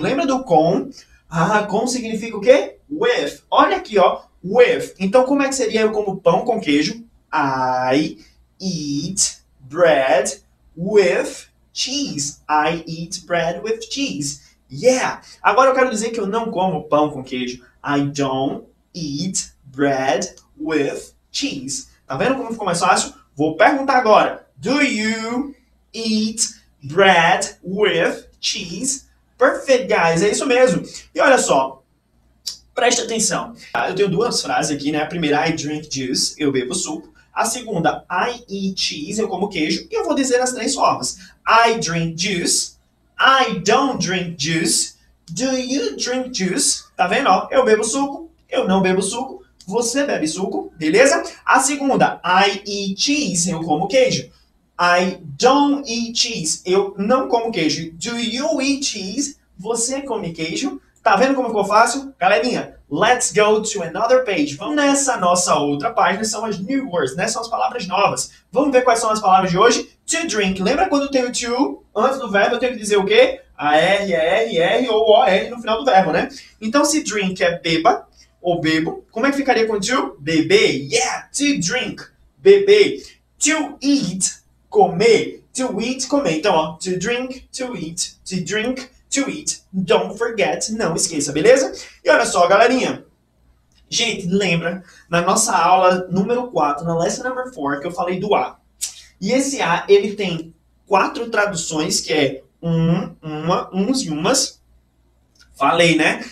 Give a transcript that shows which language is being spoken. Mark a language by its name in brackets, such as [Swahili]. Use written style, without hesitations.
[Portuguese] Lembra do com? Ah, com significa o quê? With. Olha aqui, ó. With. Então, como é que seria eu como pão com queijo? [English] I eat bread with cheese. I eat bread with cheese. [Portuguese] Yeah. Agora eu quero dizer que eu não como pão com queijo. [English] I don't eat bread with cheese. [Portuguese] Tá vendo como ficou mais fácil? Vou perguntar agora. [English] Do you eat bread with cheese? Perfect, guys. [Portuguese] É isso mesmo. E olha só. Preste atenção. Eu tenho duas frases aqui, né? A primeira, [English] I drink juice, [Portuguese] eu bebo suco. A segunda, [English] I eat cheese, [Portuguese] eu como queijo. E eu vou dizer as três formas. [English] I drink juice, I don't drink juice, do you drink juice? [Portuguese] Tá vendo? Eu bebo suco, eu não bebo suco, você bebe suco, beleza? A segunda, [English] I eat cheese, [Portuguese] eu como queijo. [English] I don't eat cheese, [Portuguese] eu não como queijo. [English] Do you eat cheese? [Portuguese] Você come queijo. Tá vendo como ficou fácil? Galerinha, [English] let's go to another page. [Portuguese] Vamos nessa nossa outra página, são as [English] new words, [Portuguese] né? São as palavras novas. Vamos ver quais são as palavras de hoje. To drink. Lembra quando tem o to antes do verbo, eu tenho que dizer o quê? A R, A R, R ou O, R no final do verbo, né? Então, se drink é beba ou bebo, como é que ficaria com to? [English] Bebê. Yeah, to drink. Bebê. To eat. Comer. To eat, comer. [Portuguese] Então, ó, [English] to drink, to eat, to drink, to eat. Don't forget, [Portuguese] não esqueça, beleza? E olha só, galerinha. Gente, lembra, na nossa aula número 4, na [English] lesson number 4, [Portuguese] que eu falei do A. E esse A, ele tem quatro traduções, que é um, uma, uns e umas. Falei, né?